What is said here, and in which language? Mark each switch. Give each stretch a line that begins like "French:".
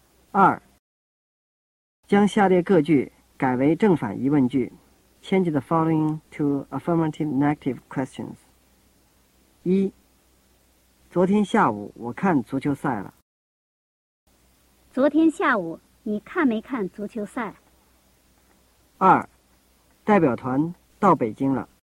Chinese: 二，将下列各句改为正反疑问句。
English: Change the following to affirmative negative questions.
Chinese: 一，昨天下午我看足球赛了。昨天下午你看没看足球赛？二，代表团到北京了。